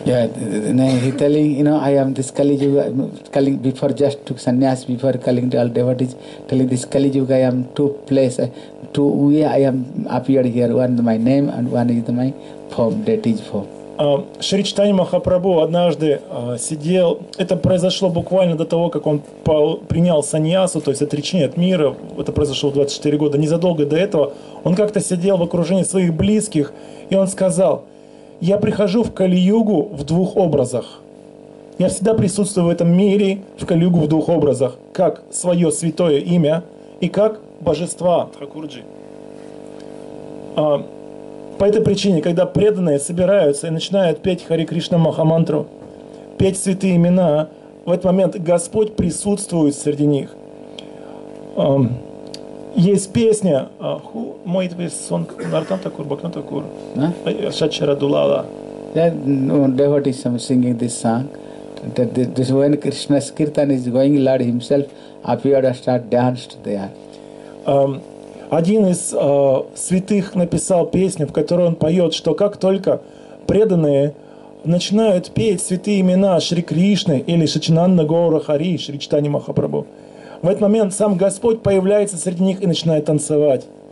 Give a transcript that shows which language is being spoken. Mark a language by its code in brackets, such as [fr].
[en] Yeah, he telling, you know, I am this Kali Yuga, calling before just to sannyas, before calling to all devotees, telling this Kali Yuga, I am two place, two way I am appeared here, one my name and one is my form, that is form. [ru] Шри Чайтанья Махапрабху однажды сидел, это произошло буквально до того, как он принял саньясу, то есть отречение от мира, это произошло 24 года, незадолго до этого, он как-то сидел в окружении своих близких, и он сказал: я прихожу в Кали-югу в двух образах. Я всегда присутствую в этом мире в Кали-югу в двух образах, как свое святое имя и как божества. Тхакурджи. По этой причине, когда преданные собираются и начинают петь Хари Кришна Махамантру, петь святые имена, в этот момент Господь присутствует среди них. Есть песня [en] «Who made this song?» [ru] «Нартантакур, Бакнатакур?» «Шачара Дулала». [en] Devotees are singing this song. This when Krishna's kirtan is going, Lord himself appeared and started dancing there. [ru] Один из святых написал песню, в которой он поет, что как только преданные начинают петь святые имена Шри Кришны или Шачинанда Гоура Хари, Шри Чайтанья Махапрабху, в этот момент сам Господь появляется среди них и начинает танцевать.